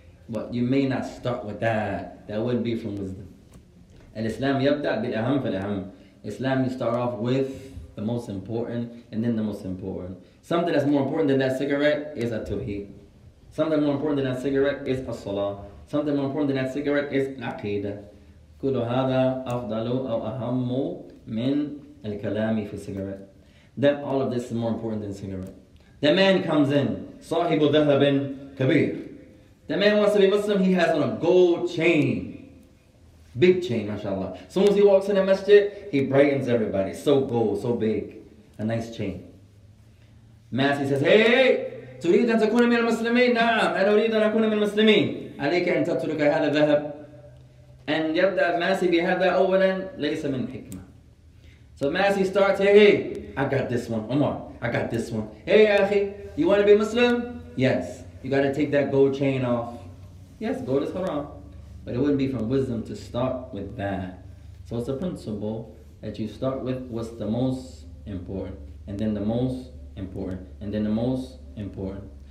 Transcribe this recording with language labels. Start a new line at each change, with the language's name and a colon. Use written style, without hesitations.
English: But you may not start with that. That wouldn't be from wisdom. And Islam,
Arabic: yabda bil-aham fil-aham.
English: Islam, you start off with the most important and then the most important. Something that's more important than that cigarette is a tawheed. Something more important than that cigarette is a salah. Something more important than that cigarette is aqeedah.
Arabic: كُلُّ هَذَا أَفْضَلُ أَوْ أَهَمُّ مِنْ الْكَلَامِ فِي cigarette.
English: Then all of this is more important than cigarette. The man comes in,
Arabic: صاحب ذهب كبير.
English: The man wants to be Muslim, he has on a gold chain. Big chain, mashallah. As soon as he walks in the masjid, he brightens everybody. So gold, so big. A nice chain. Mas, he says, hey,
Arabic: تريد أن تكون من المسلمين؟ نعم, أنا أريد أن أكون من المسلمين. عليك أن تترك هذا الذهب. And يبدأ ماسي بهذا أولا ليس من حكمة.
English: So Masi starts, hey, I got this one, Omar, I got this one. Hey, Akhi, you want to be Muslim? Yes, you got to take that gold chain off. Yes, gold is haram. But it wouldn't be from wisdom to start with that. So it's a principle that you start with what's the most important, and then the most important, and then the most important.